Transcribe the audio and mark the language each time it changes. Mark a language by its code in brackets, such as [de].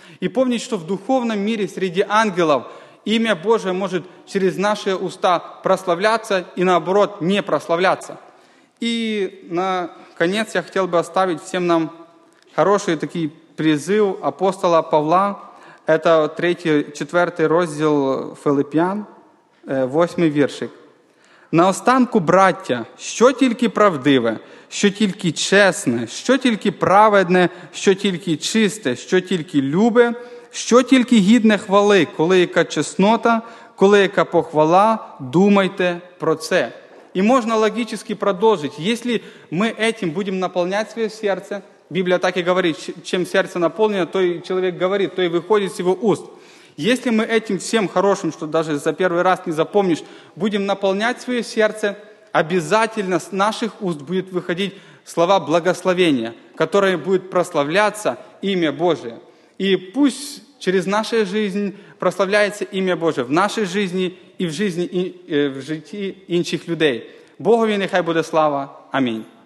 [ru] И помнить, что в духовном мире среди ангелов имя Божие может через наши уста прославляться и, наоборот, не прославляться. И, наконец, я хотел бы оставить всем нам хороший такой призыв апостола Павла. Это 3-4 раздел Филиппян, 8 вершик. [uk] Наостанку, браття, що тільки правдиве, що тільки чесне, що тільки праведне, що тільки чисте, що тільки любе, що тільки гідне хвали, коли яка чеснота, коли яка похвала, думайте про це. І можна логічно продовжити. Якщо ми цим будемо наповняти своє серце, Біблія так і говорить, чим серце наповнено, той чоловік говорить, той виходить з його уст. [ru] Если мы этим всем хорошим, что даже за первый раз не запомнишь, будем наполнять свое сердце, обязательно с наших уст будут выходить слова благословения, которые будут прославляться имя Божие. И пусть через нашу жизнь прославляется имя Божие в нашей жизни и в жизни в житии других людей. Богу нехай будет слава. Аминь.